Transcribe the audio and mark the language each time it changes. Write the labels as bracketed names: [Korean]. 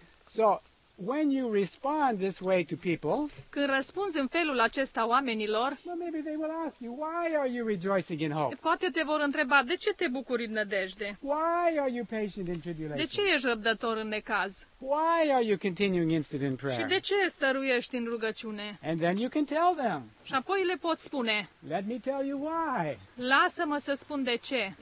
[English] So, when you respond this way to people, [Romanian] când răspunzi în felul acesta oamenilor, [English] well, maybe they will ask you, why are you rejoicing in hope? [Romanian] Poate te vor întreba, de ce te bucuri în nădejde? [English] Why are you patient in tribulation? [Romanian] De ce ești răbdător în necaz? [English] Why are you continuing instant in prayer? [Romanian] Și de ce stăruiești în rugăciune? [English] And then you can tell them. [Romanian] Și apoi le pot spune. [English] Let me tell you why. [Romanian] Lasă-mă să spun de ce.